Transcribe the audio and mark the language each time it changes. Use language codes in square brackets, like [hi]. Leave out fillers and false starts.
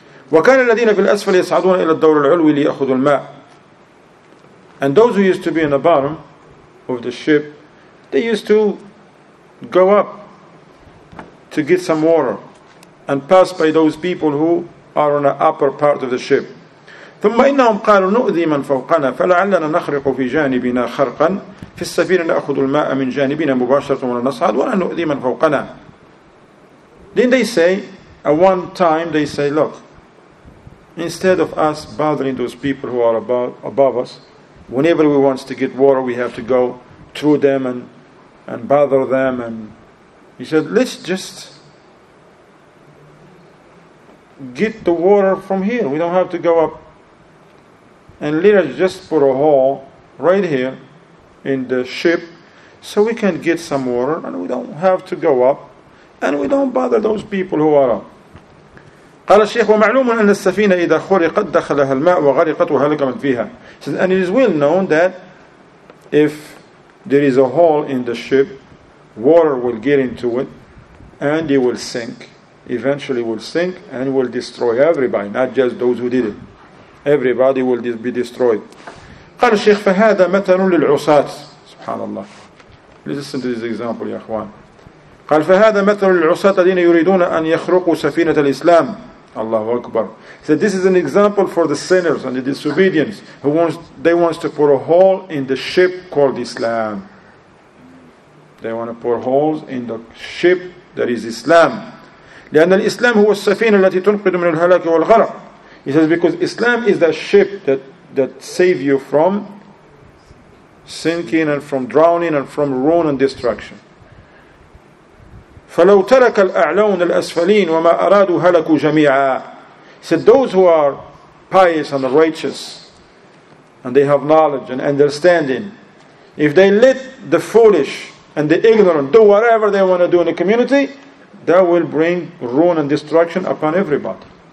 [ar] وَكَانَ الَّذِينَ فِي الْأَسْفَلِ يَصْعَدُونَ إِلَى الدَّوْرِ الْعُلْوِ لِيَأْخُذُوا الْمَاءِ. [en] And those who used to be in the bottom of the ship, they used to go up to get some water and pass by those people who are on the upper part of the ship. [ar] ثم إنهم قالوا نؤذي من فوقنا فلعلنا نخرق في جانبنا خرقا في السفينة نأخذ الماء من جانبنا مباشرة ونصعد ولا نؤذي من فوقنا. [en] Then they say, at one time they say, look, instead of us bothering those people who are above us, whenever we want to get water, we have to go through them and bother them. And he said, let's just get the water from here. We don't have to go up. And let us just put a hole right here in the ship so we can get some water and we don't have to go up and we don't bother those people who are up. [ar] قال الشيخ ومعلوم أن السفينة إذا خرقت دخلها الماء وغرقت وهلك من فيها. [en] And it is well known that if there is a hole in the ship, water will get into it and it will sink. Eventually will sink and will destroy everybody, not just those who did it. Everybody will be destroyed. [ar] قال الشيخ فهذا مثل للعصاة. سبحان الله. [en] Listen to this example, يا أخوان. [ar] قال فهذا مثل للعصاة الذين يريدون أن يخرقوا سفينة الإسلام. الله أكبر. [en] So this is an example for the sinners and the disobedience who wants, they want to put a hole in the ship called Islam. They want to put holes in the ship that is Islam. [ar] لأن الإسلام هو السفينة التي تنقذ من الهلاك والغرق. [en] He says, because Islam is that ship that saves you from sinking and from drowning and from ruin and destruction. [ar] فَلَوْ تَرَكَ الْأَعْلَوْنَ الْأَسْفَلِينَ وَمَا أَرَادُوا هَلَكُوا جَمِيعًا. [en] He said, those who are pious and righteous and they have knowledge and understanding, if they let the foolish and the ignorant do whatever they want to do in the community, that will bring ruin and destruction upon everybody.